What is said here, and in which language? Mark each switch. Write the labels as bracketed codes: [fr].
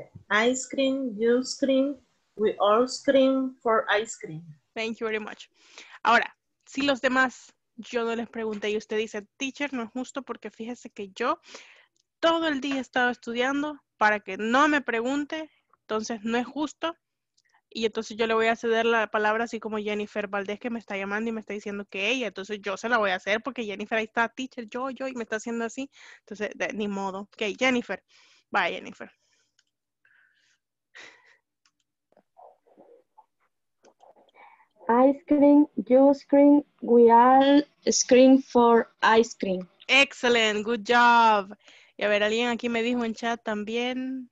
[en] Ice cream, you scream, we all scream for ice cream. Thank you very much. [es] Ahora, si los demás, yo no les pregunté y usted dice, teacher, no es justo porque fíjese que yo todo el día he estado estudiando para que no me pregunte, entonces no es justo. Y entonces yo le voy a ceder la palabra así como Jennifer Valdés que me está llamando y me está diciendo que ella. Entonces yo se la voy a hacer porque Jennifer ahí está, teacher, yo, y me está haciendo así. Entonces, ni modo. Ok, Jennifer. Bye, Jennifer. [en] Ice cream, you scream, we all scream for ice cream. Excellent, good job. [es] Y a ver, alguien aquí me dijo en chat también.